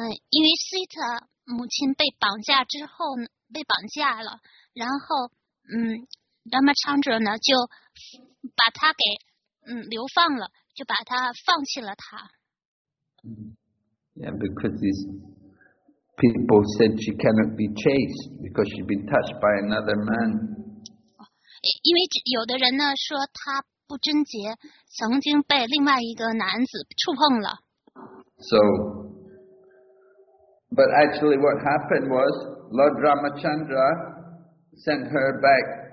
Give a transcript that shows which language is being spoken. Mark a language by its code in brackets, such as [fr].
[zh] 因为 Sita 母亲被绑架之后呢，被绑架了，然后Ramachandra 呢就把他给流放了，就把他放弃了他。 [en] Yeah, because these people said she cannot be chaste because she'd been touched by another man. [zh] 因为有的人呢说她不贞洁，曾经被另外一个男子触碰了。 [en] So. But actually what happened was Lord Ramachandra sent her back.